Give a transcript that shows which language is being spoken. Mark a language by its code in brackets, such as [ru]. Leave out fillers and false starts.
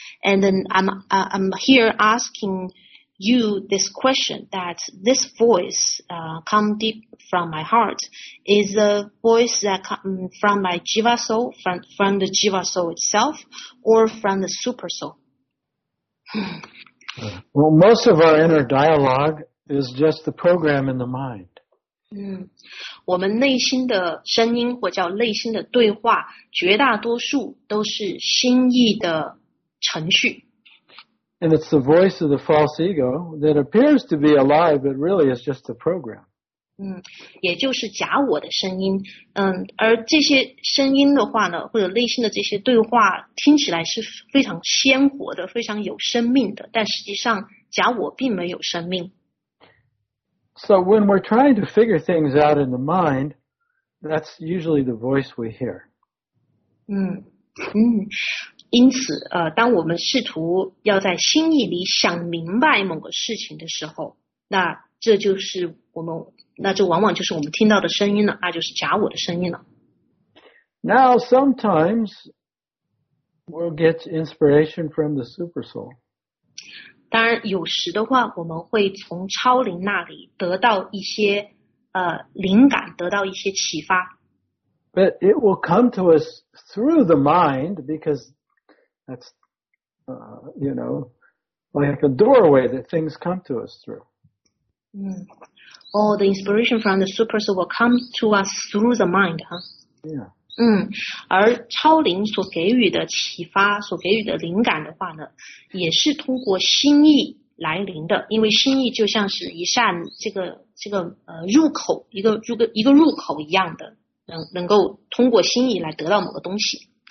[en] And then I'm here asking you this question, that this voice come deep from my heart is a voice that come from my jiva soul, from the jiva soul itself, or from the super soul? Well, most of our inner dialogue is just the program in the mind. [zh] 我们内心的声音或叫内心的对话，绝大多数都是心意的程序。 [en] And it's the voice of the false ego that appears to be alive, but really is just a program. [zh] 也就是假我的声音。而这些声音的话呢，或者内心的这些对话，听起来是非常鲜活的，非常有生命的，但实际上假我并没有生命。 [en] So when we're trying to figure things out in the mind, that's usually the voice we hear. [zh] 因此当我们试图要在心意里想明白某个事情的时候，那就往往就是我们听到的声音了，那就是假我的声音了。 [en] Now sometimes we'll get inspiration from the super soul. [zh] 当然有时的话，我们会从超灵那里得到一些灵感，得到一些启发。 [en] But it will come to us through the mind because that's, you know, like a doorway that things come to us through. The inspiration from the super soul will come to us through the mind, huh? Yeah. [zh] 而超灵所给予的启发，所给予的灵感的话呢，也是通过心意来临的，因为心意就像是一扇这个入口，一个入口一样的。能够通过心意来得到某个东西。